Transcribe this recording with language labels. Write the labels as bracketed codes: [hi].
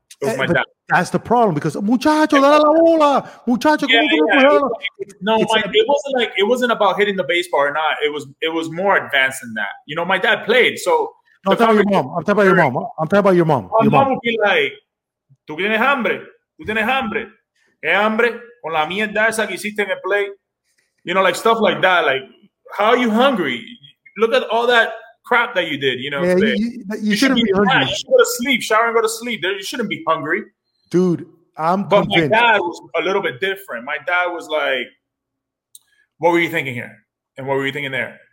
[en] It was my dad. That's the problem, because [es] muchacho, la la la, muchacho. [en] Yeah, yeah. It wasn't about hitting the baseball or not. It was more advanced than that. You know, my dad played. So I'm talking about your mom. I'm talking about your mom. My mom would be like, [es] tú tienes hambre. Tú tienes hambre. Hey, hombre, con la mierda esa que hiciste en el play. [en] You know, like stuff like that. Like, how are you hungry? Look at all that crap that you did, you know. Yeah, you shouldn't be hungry. You should go to sleep, shower and go to sleep. You shouldn't be hungry. Dude, convinced. But my dad was a little bit different. My dad was like, what were you thinking here? And what were you thinking there?